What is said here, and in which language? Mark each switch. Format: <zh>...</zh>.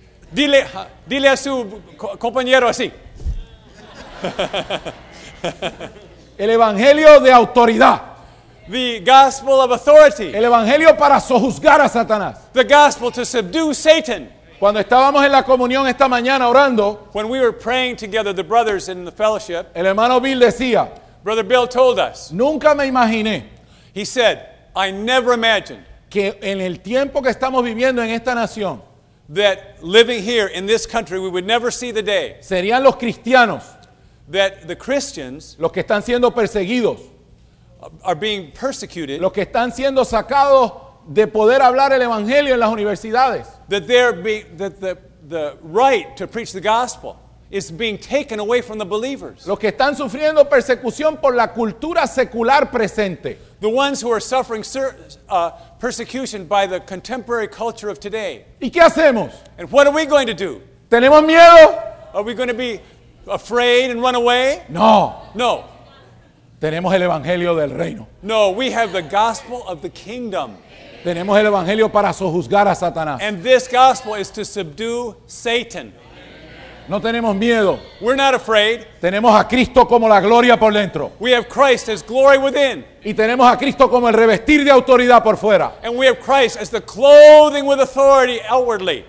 <es>Dile a su compañero así. El Evangelio de autoridad.</es> <en>The gospel of authority.</en> <es>El Evangelio para sojuzgar a Satanás.</es> <en>The gospel to subdue Satan.</en> <es>Cuando estábamos en la comunión esta mañana orando,</es> <en>when we were praying together, the brothers in the fellowship,</en> <es>el hermano Bill decía,</es> <en>Brother Bill told us,</en> <es>nunca me imaginé,</es> <en>he said, I never imagined,</en> <es>que en el tiempo que estamos viviendo en esta nación,</es> <en>that living here in this country, we would never see the day,</en> <es>serían los cristianos,</es> <en>that the Christians,</en> <es>los que están siendo perseguidos,</es> <en>are being persecuted,</en> <es>los que están siendo sacados de poder hablar el evangelio en las universidades,</es> <en>that there be that the right to preach the gospel is being taken away from the believers,</en> <es>los que están sufriendo persecución por la cultura secular presente,</es> <en>the ones who are suffering persecution by the contemporary culture of today.</en> <es>¿Y qué hacemos?</es> <en>And what are we going to do?</en> <es>¿Tenemos miedo?</es> <en>Are we going to be afraid and run away?</en> <es>No. Tenemos el Evangelio del Reino.</es> <en>No, we have the gospel of the kingdom.</en> <es>Tenemos el Evangelio para sojuzgar a Satanás.</es> <en>And this gospel is to subdue Satan.</en> <es>No tenemos miedo.</es> <en>We're not afraid.</en> <es>Tenemos a Cristo como la gloria por dentro.</es> <en>We have Christ as glory within.</en> <es>Y tenemos a Cristo como el revestir de autoridad por fuera.</es> <en>And we have Christ as the clothing with authority outwardly.</en>